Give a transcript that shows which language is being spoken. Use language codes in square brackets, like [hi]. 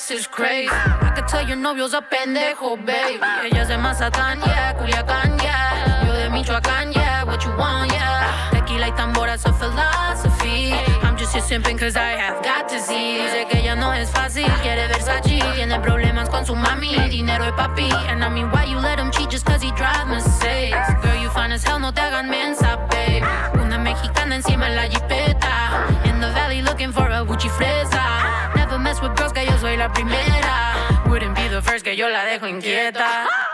[en] Crazy. I could tell your novio's a pendejo, baby. [es] Ella es de Mazatán, [en] yeah, Culiacán, yeah. [es] Yo de Michoacán, [en] yeah, what you want, yeah. [es] Tequila y tambora, [en] it's a philosophy. I'm just here simping cause I have got to see. [es] Dice que ella no es fácil, quiere Versace. Tiene problemas con su mami, dinero y papi. [en] And I mean, why you let him cheat just cause he drives Mercedes? Girl, you fine as hell, [es] no te hagan mensa, [en] baby. [es] Una mexicana encima en la jipeta. [en] In the valley looking for a Gucci fresa. Mess with girls, [es] que yo soy la primera. [en] Wouldn't be the first, [es] que yo la dejo inquieta.